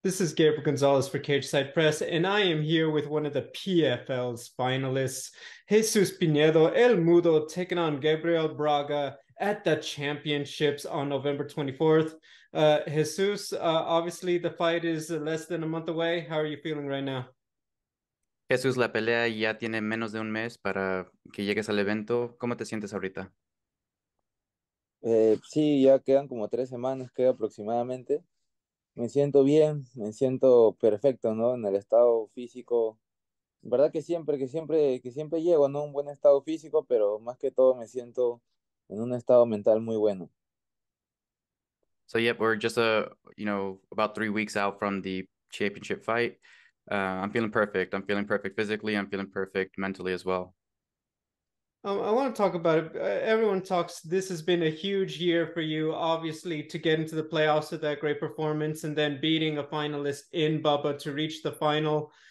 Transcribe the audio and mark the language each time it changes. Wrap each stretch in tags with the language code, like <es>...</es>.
<en>This is Gabriel Gonzalez for Cage Side Press, and I am here with one of the PFL's finalists, Jesus Pinedo, El Mudo, taking on Gabriel Braga at the championships on November 24th. Jesus, obviously the fight is less than a month away. How are you feeling right now?</en> <es>Jesús, la pelea ya tiene menos de un mes para que llegues al evento. ¿Cómo te sientes ahorita? Sí, ya quedan como 3 semanas, creo aproximadamente. Me siento bien, me siento perfecto, ¿no? En el estado físico. Verdad que siempre llego, ¿no? Un buen estado físico, pero más que todo me siento en un estado mental muy bueno.</es> <en>So, yeah, we're just, about 3 weeks out from the championship fight. I'm feeling perfect. I'm feeling perfect physically. I'm feeling perfect mentally as well. I want to talk about it. Everyone talks, this has been a huge year for you, obviously, to get into the playoffs with that great performance and then beating a finalist in Bubba to reach the final.</en>